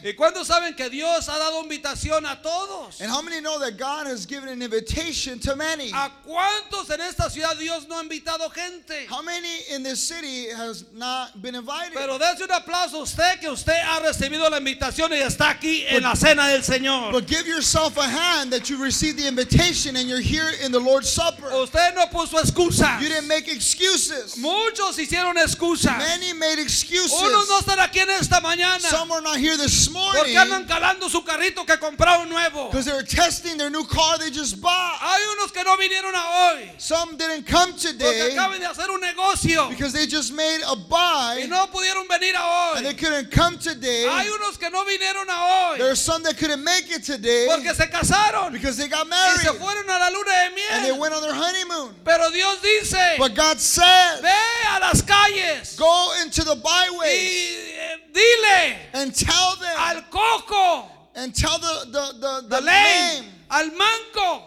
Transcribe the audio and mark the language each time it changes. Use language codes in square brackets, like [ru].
[es] ¿Y cuándo saben que Dios ha dado invitación a todos? [en] And how many know that God has given an invitation to many? [es] ¿A cuántos en esta ciudad Dios no ha invitado gente? [en] How many in this city has not been invited? [es] Pero dése un aplauso usted que usted ha recibido la invitación y está aquí en la cena del Señor. [en] But give yourself a hand that you received the invitation and you're here in the Lord's Supper. [es] Usted no puso excusas. [en] You didn't make excuses. [es] Muchos hicieron excusas. [en] Many made excuses. [es] Unos no están aquí en esta mañana. [en] Some are not here this morning. [es] Porque andan calando su carrito que compraron nuevo. [en] Because they're testing their new car they just bought. [es] Hay unos que no vinieron a hoy. [en] Some didn't come today. [es] Porque acaban de hacer un negocio. [en] Because they just made a buy. [es] Y no pudieron venir a hoy. [en] And they couldn't come today. [es] Hay unos que no vinieron a hoy. [en] There are some that couldn't make it today. [es] Porque se casaron. [en] Because they got married. [es] Y se fueron a la luna de miel. [en] And they went on their honeymoon. [es] Pero Dios dice, [en] but God said, [es] ve a las calles, [en] go into the byways, [es] y, dile, [en] and tell them, [es] al coco, [en] and tell the lame, [es] al manco,